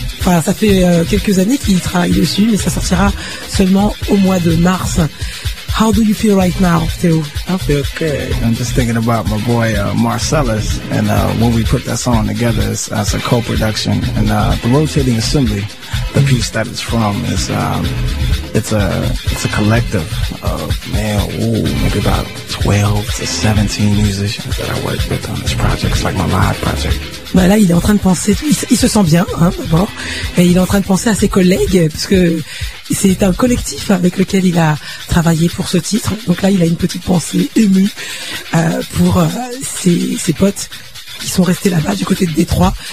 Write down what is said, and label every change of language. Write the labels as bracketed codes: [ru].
[fr] Enfin, ça fait quelques années qu'il travaille dessus, mais ça sortira seulement au mois de mars. [en] How do you feel right now, Theo? I feel good. I'm just thinking about my boy Marcellus, and when we put that song together, it's as a co-production. And the Rotating Assembly, the piece that it's from, is it's a collective of, maybe about 12 to 17 musicians that I work with on this project. It's like my live project. [fr] Bah là, il est en train de penser, il se sent bien, hein, d'abord, et il est en train de penser à ses collègues, puisque c'est un collectif avec lequel il a travaillé pour ce titre. Donc là, il a une petite pensée émue pour ses potes qui sont restés là-bas, du côté de Détroit.